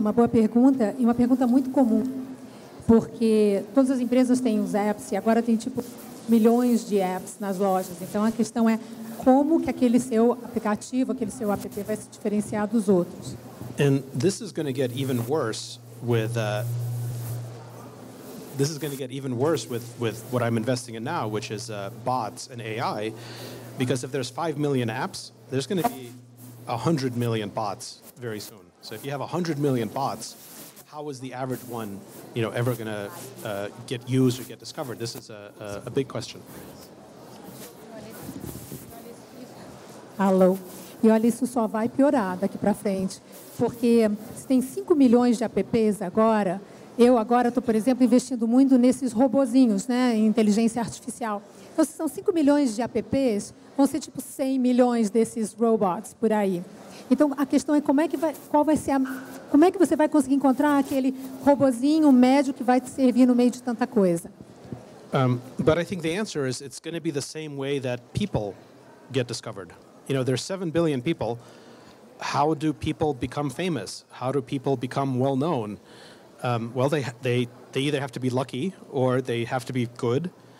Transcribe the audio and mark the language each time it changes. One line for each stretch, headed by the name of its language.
Portuguese: Uma boa pergunta e uma pergunta muito comum, porque todas as empresas têm os apps e agora tem tipo milhões de apps nas lojas. Então, a questão é como que aquele seu aplicativo, aquele seu app vai se diferenciar dos outros.
English: And this is going to get even worse with this is going to get even worse with what I'm investing in now, which is bots and AI, because if there's 5 million apps, there's going to be 100 million bots very soon. So if you have 100 million bots, how is the average one, you know, ever going to get used or get discovered? This is a big question.
Portuguese: Alô. E olha, isso só vai piorar daqui para frente, porque se tem 5 milhões de apps agora, eu agora estou, por exemplo, investindo muito nesses robozinhos, né, em inteligência artificial. Então, se são 5 milhões de apps, vão ser tipo 100 milhões desses robots por aí. Então, a questão é como é que vai, qual vai ser a, como é que você vai conseguir encontrar aquele robozinho médio que vai te servir no meio de tanta coisa?
English: But I think the answer is it's going to be the same way that people get discovered. You know, there's 7 billion people. How do people become famous? How do people become well known? Well, they either have to be lucky or they have to be good.